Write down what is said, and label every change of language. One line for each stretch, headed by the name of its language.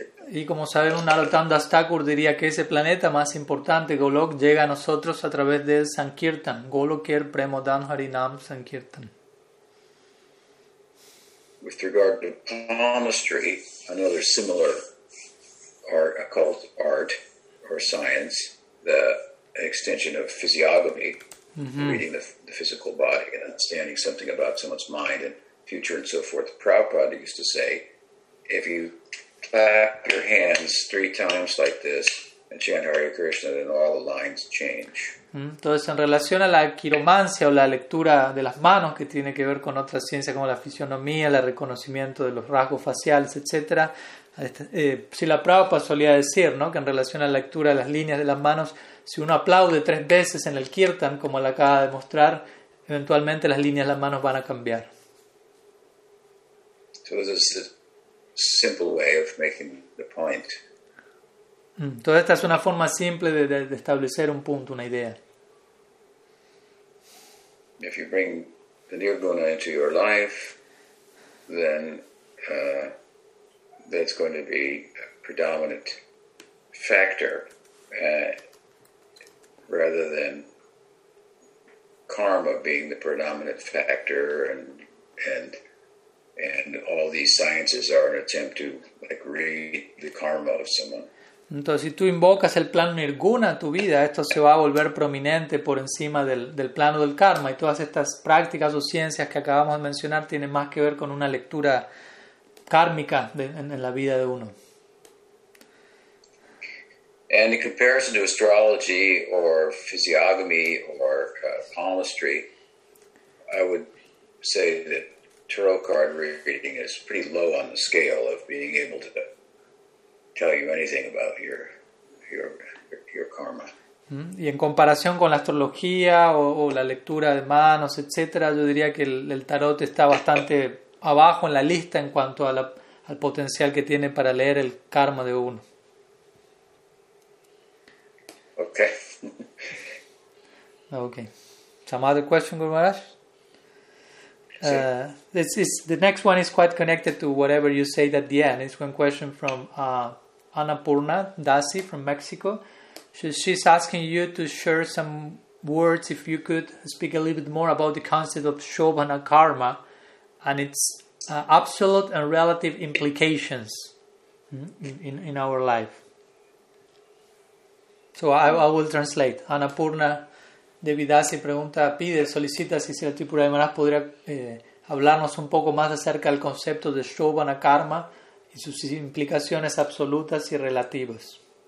Spanish: Y como sabemos, Narottama Das Thakur diría que ese planeta más importante, Golok, llega a nosotros a través del Sankirtan, Goloker Premodan Harinam Sankirtan.
English: With regard to palmistry, another similar art, occult art or science, the extension of physiognomy, reading the physical body and understanding something about someone's mind and future and so forth. Prabhupada used to say, if you clap your hands three times like this and chant Hare Krishna, then all the lines change.
Spanish: Entonces, en relación a la quiromancia o la lectura de las manos, que tiene que ver con otras ciencias como la fisionomía, el reconocimiento de los rasgos faciales, etc., Srila Prabhupada solía decir, ¿no?, que en relación a la lectura de las líneas de las manos, si uno aplaude tres veces en el kirtan, como le acaba de mostrar, eventualmente las líneas de las manos van a cambiar.
English: Entonces, simple way of making the point.
Spanish: Toda esta es una forma simple de establecer un punto, una idea.
English: If you bring the nirguna into your life, then that's going to be a predominant factor rather than karma being the predominant factor and all these sciences are an attempt to read the karma of someone.
Spanish: Entonces, si tú invocas el plan Nirguna a tu vida, esto se va a volver prominente por encima del plano del karma, y todas estas prácticas o ciencias que acabamos de mencionar tienen más que ver con una lectura kármica en la vida de uno.
English: And in comparison to astrology or physiognomy or palmistry, I would say that tarot card reading is pretty low on the scale of being able to tell you anything about your karma.
Spanish: Y en comparación con la astrología o la lectura de manos, etcétera, yo diría que el tarot está bastante abajo en la lista en cuanto al potencial que tiene para leer el karma de uno.
English: Okay. Okay. Some other question, Guru Maharaj? The next one is quite connected to whatever you say at the end. It's one question from Annapurna Dasi from Mexico. She's asking you to share some words, if you could speak a little bit more about the concept of Shobhana Karma and its absolute and relative implications in our life. So I will translate.
Spanish: Annapurna Devi Dasi pregunta, pide, solicita si el Tripura de Maharaj podría hablarnos un poco más acerca del concepto de Shobhana Karma y sus implicaciones absolutas y relativas.